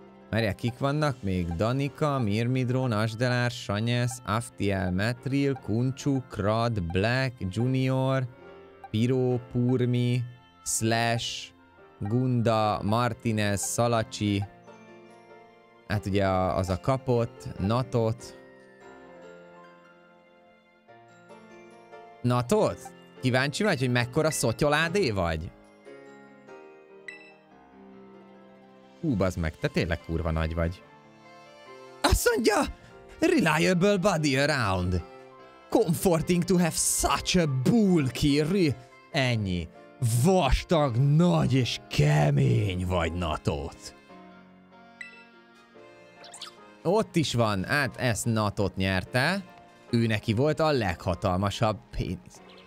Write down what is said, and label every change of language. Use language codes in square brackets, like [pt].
[hu] Merje, kik vannak még? Danika, Mirmidrón, Asdelár, Sanyesz, Aftiel, Metril, Kuncsu, Krad, Black, Junior, Piro, Purmi, Slash, Gunda, Martinez, Szalacsi, hát ugye az a kapott, Natot. Natot? Kíváncsi vagy, hogy mekkora szotyoládé vagy? Hú, bazd meg, te tényleg kurva nagy vagy. Azt mondja, [en] reliable body around. Comforting to have such a bulky. [hu] Ennyi. Vastag, nagy és kemény vagy, Natot. Ott is van, hát ezt Natot nyerte. Ő neki volt a leghatalmasabb pénz.